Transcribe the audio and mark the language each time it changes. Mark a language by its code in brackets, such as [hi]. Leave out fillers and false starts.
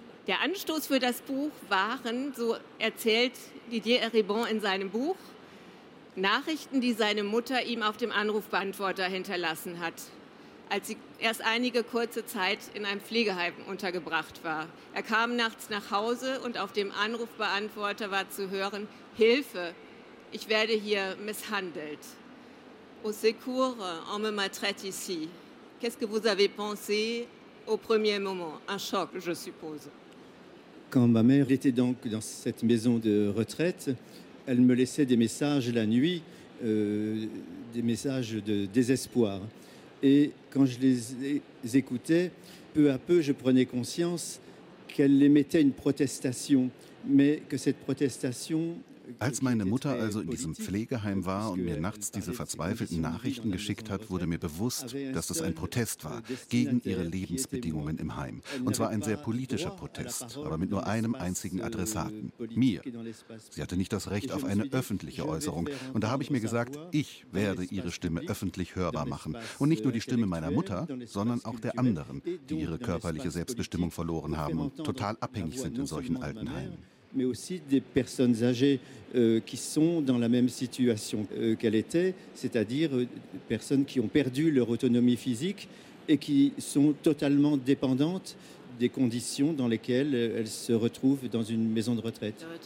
[de] Der Anstoß für das Buch waren, so erzählt Didier Eribon in seinem Buch, Nachrichten, die seine Mutter ihm auf dem Anrufbeantworter hinterlassen hat, als sie erst einige kurze Zeit in einem Pflegeheim untergebracht war. Er kam nachts nach Hause und auf dem Anrufbeantworter war zu hören, Hilfe, ich werde hier misshandelt. [fr] Au secours, on me maltraite ici. Qu'est-ce que vous avez pensé au premier moment. Un choc, je suppose. Quand ma mère était donc dans cette maison de retraite, elle me laissait des messages la nuit, des messages de désespoir. Et quand je les écoutais, peu à peu, je prenais conscience qu'elle émettait une protestation, mais que cette protestation... [de] Als meine Mutter also in diesem Pflegeheim war und mir nachts diese verzweifelten Nachrichten geschickt hat, wurde mir bewusst, dass es ein Protest war gegen ihre Lebensbedingungen im Heim. Und zwar ein sehr politischer Protest, aber mit nur einem einzigen Adressaten, mir. Sie hatte nicht das Recht auf eine öffentliche Äußerung. Und da habe ich mir gesagt, ich werde ihre Stimme öffentlich hörbar machen. Und nicht nur die Stimme meiner Mutter, sondern auch der anderen, die ihre körperliche Selbstbestimmung verloren haben und total abhängig sind in solchen alten Heimen. [fr] Mais aussi des personnes âgées qui sont dans la même situation qu'elle était, c'est-à-dire personnes qui ont perdu leur autonomie physique et qui sont totalement dépendantes des conditions dans lesquelles elles se retrouvent dans une maison de retraite.